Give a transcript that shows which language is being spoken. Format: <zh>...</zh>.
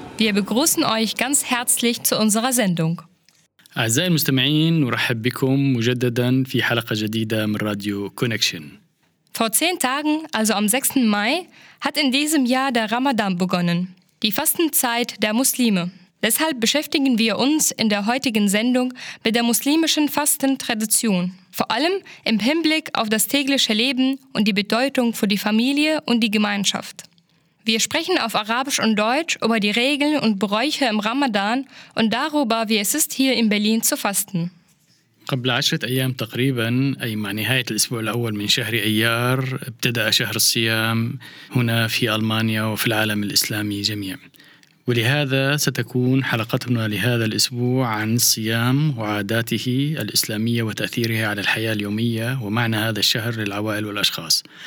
<de>Wir begrüßen euch ganz herzlich zu unserer Sendung.</de> <ar>أعزائي المستمعين نرحب بكم مجددا في حلقة جديدة من راديو كونكشن.</ar> <de>Vor 10 Tagen, also am 6. Mai, hat in diesem Jahr der Ramadan begonnen, die Fastenzeit der Muslime. Deshalb beschäftigen wir uns in der heutigen Sendung mit der muslimischen Fastentradition, vor allem im Hinblick auf das tägliche Leben und die Bedeutung für die Familie und die Gemeinschaft. Wir sprechen auf Arabisch und Deutsch über die Regeln und Bräuche im Ramadan und darüber, wie es ist, hier in Berlin zu fasten.</de> <ar>قبل 10 أيام تقريباً أي مع نهاية الأسبوع الأول من شهر أيار ابتدأ شهر الصيام هنا في ألمانيا وفي العالم الإسلامي جميع. ولهذا ستكون حلقتنا لهذا الأسبوع عن الصيام وعاداته الإسلامية وتأثيرها على الحياة اليومية ومعنى هذا الشهر للعوائل والأشخاص.</ar>